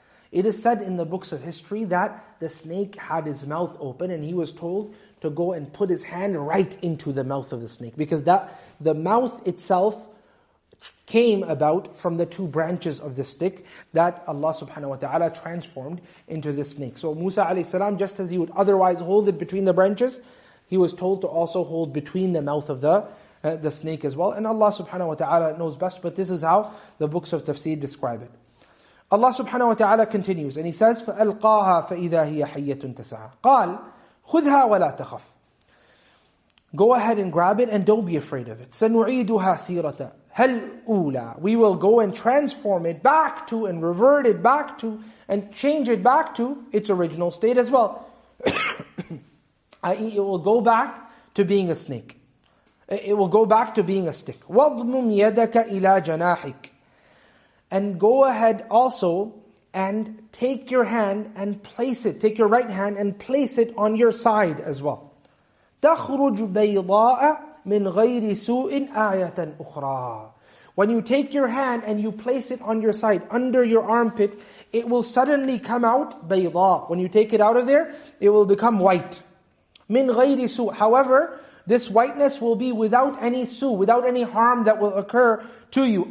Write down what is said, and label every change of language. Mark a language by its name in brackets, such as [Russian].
[English] It is said in the books of history that the snake had his mouth open and he was told to go and put his hand right into the mouth of the snake, because that the mouth itself came about from the two branches of the stick that Allah subhanahu wa ta'ala transformed into this snake. So Musa alayhi salam, just as he would otherwise hold it between the branches, he was told to also hold between the mouth of the snake as well. And Allah subhanahu wa ta'ala knows best, but this is how the books of tafsir describe it. Allah subhanahu wa ta'ala continues, and he says, [Arabic] فَأَلْقَاهَا فَإِذَا هِيَ حَيَّةٌ تَسَعَى قَالْ خُذْهَا وَلَا تَخَفْ. [English] Go ahead and grab it and don't be afraid of it. [Arabic] سَنُعِيدُهَا سِيرَةً هَلْ أُولَى. [English] We will go and transform it back to, and revert it back to, and change it back to its original state as well. i.e. it will go back to being a snake. It will go back to being a stick. [Arabic] وَضْمُمْ يَدَكَ إِلَى جَنَاحِكَ. [English] And go ahead also and take your hand and place it, take your right hand and place it on your side as well. [Arabic] تخرج بيضاء من غير سوء آية أخرى. [English] When you take your hand and you place it on your side, under your armpit, it will suddenly come out بيضاء. When you take it out of there, it will become white. [Arabic] من غير سوء. [English] However, this whiteness will be without any سوء, without any harm that will occur to you.